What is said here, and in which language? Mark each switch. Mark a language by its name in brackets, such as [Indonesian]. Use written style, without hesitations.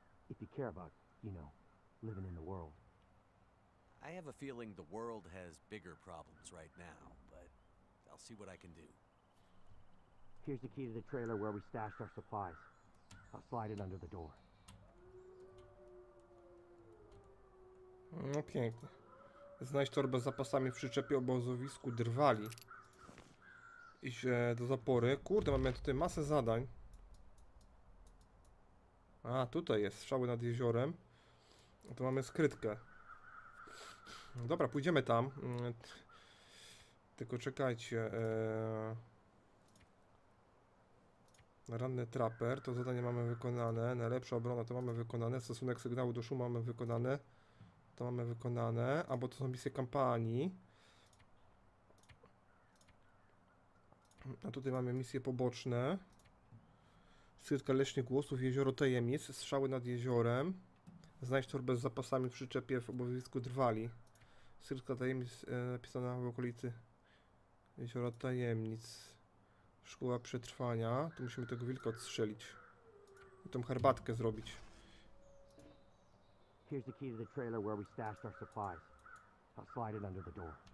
[English] If you care about, you know, living in the world. I have a feeling the world has bigger problems right now, but I'll see what I can do. Here's the key to the trailer where we stashed our supplies. I'll slide it under the door. [Polish] No pięknie. Znajdź torbę z zapasami w przyczepie obozowisku Drwali. Iść do zapory. Kurde, mamy tutaj masę zadań. A, tutaj jest. Strzały nad jeziorem. To mamy skrytkę. Dobra, pójdziemy tam. Tylko czekajcie. Ranny trapper. To zadanie mamy wykonane. Najlepsza obrona to mamy wykonane. Stosunek sygnału do szumu mamy wykonane. To mamy wykonane. Albo to są misje kampanii. A tutaj mamy misje poboczne. Skrytka leśnych głosów. Jezioro tajemnic. Strzały nad jeziorem. Znajdź torbę z zapasami w przyczepie w obowiązku Drwali. Skrytka tajemnic napisana w okolicy jeziora tajemnic. Szkoła przetrwania. Tu musimy tego wilka odstrzelić. I tą herbatkę zrobić. [English] Here's the key to the trailer where we stashed our supplies. I'll slide it under the door.